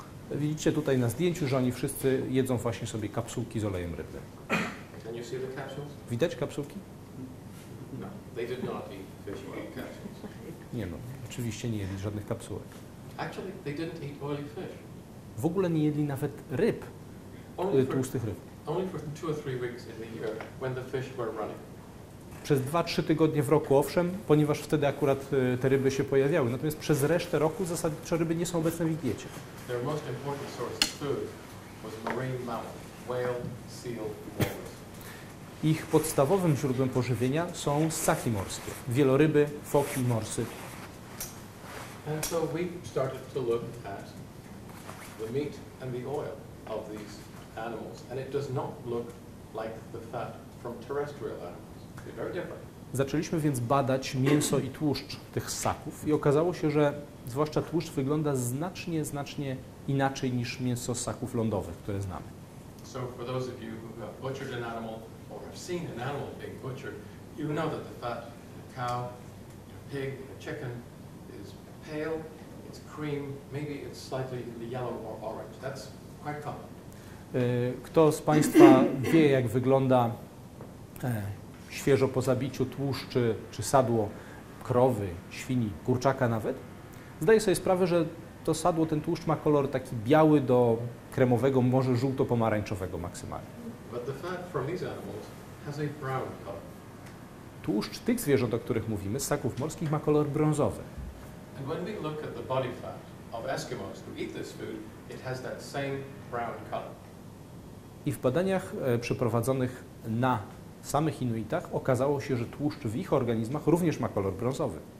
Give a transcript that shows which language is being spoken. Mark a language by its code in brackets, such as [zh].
[pl] Widzicie tutaj na zdjęciu, że oni wszyscy jedzą właśnie sobie kapsułki z olejem rybnym. [en] Can you see the capsules? [pl] Widać kapsułki? [en] No, they did not eat fish oil capsules. [pl] Nie no, oczywiście nie jedli żadnych kapsułek. [en] Actually, they didn't eat oily fish. [pl] W ogóle nie jedli nawet ryb, tłustych ryb. [en] Only for 2 or 3 weeks in the year when the fish were running. [pl] Przez 2-3 tygodnie w roku, owszem, ponieważ wtedy akurat te ryby się pojawiały. Natomiast przez resztę roku zasadniczo ryby nie są obecne w ich diecie. [en] Their most important source of food was marine mammal, whale, seal, walrus. [pl] Ich podstawowym źródłem pożywienia są ssaki morskie, wieloryby, foki, morsy. [en] And so we started to look at the meat and the oil of these animals, and it does not look like the fat from terrestrial animals. [pl] Zaczęliśmy więc badać mięso i tłuszcz tych ssaków i okazało się, że zwłaszcza tłuszcz wygląda znacznie, znacznie inaczej niż mięso ssaków lądowych, które znamy. [en] So for those of you who have butchered an animal or have seen an animal being butchered, you know that the fat, a cow, a pig, a chicken is pale, it's cream, maybe it's slightly yellow or orange. That's quite common. [pl] Kto z Państwa wie, jak wygląda świeżo po zabiciu tłuszcz czy sadło krowy, świni, kurczaka nawet, zdaję sobie sprawę, że to sadło, ten tłuszcz ma kolor taki biały do kremowego, może żółto-pomarańczowego maksymalnie. [en] But the fat from these animals has a brown color. [pl] Tłuszcz tych zwierząt, o których mówimy, ssaków morskich, ma kolor brązowy. [en] And when we look at the body fat of Eskimos who eat this food, it has that same brown color. [pl] I w badaniach przeprowadzonych na samych Inuitach okazało się, że tłuszcz w ich organizmach również ma kolor brązowy.